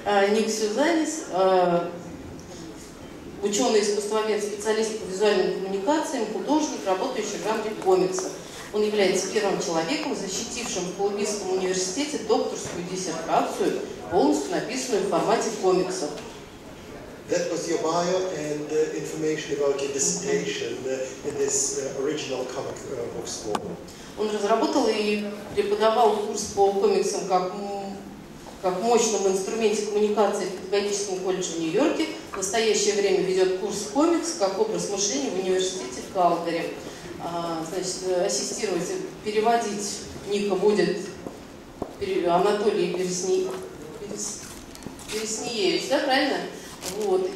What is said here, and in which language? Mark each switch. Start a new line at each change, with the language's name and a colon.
Russian: Ник Сюзанис, ученый, искусствовед, специалист по визуальным коммуникациям, художник, работающий в жанре комикса. Он является первым человеком, защитившим в Колумбийском университете докторскую диссертацию, полностью написанную в формате комикса.
English: That was your bio and information about your dissertation in this original comic book school.
Russian: Он разработал и преподавал курс по комиксам как мощном инструменте коммуникации в педагогическом колледже в Нью-Йорке. В настоящее время ведет курс комикс как образ мышления в университете в Калгари. Значит, ассистировать, переводить Ника будет Анатолий Переснеевич, да, правильно? Вот.